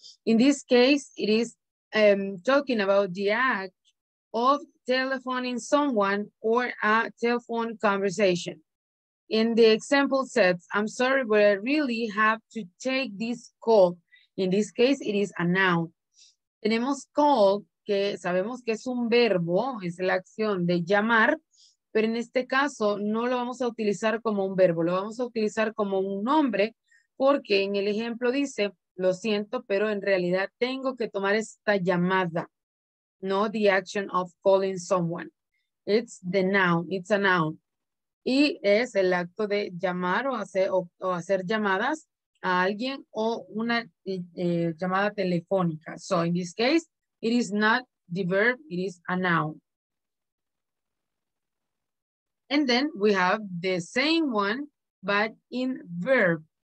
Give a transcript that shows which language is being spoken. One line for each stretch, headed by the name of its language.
English: In this case, it is talking about the act of telephoning someone or a telephone conversation. In the example sets, I'm sorry, but I really have to take this call. In this case, it is a noun.
Spanish: Tenemos call, que sabemos que es un verbo, es la acción de llamar, pero en este caso no lo vamos a utilizar como un verbo, lo vamos a utilizar como un nombre, porque en el ejemplo dice, lo siento, pero en realidad tengo que tomar esta llamada, no
English: the action of calling someone. It's the noun, it's a noun.
Spanish: Y es el acto de llamar o hacer llamadas a alguien o una llamada telefónica.
English: So in this case, it is not the verb, it is a noun. And then we have the same one, but in verb.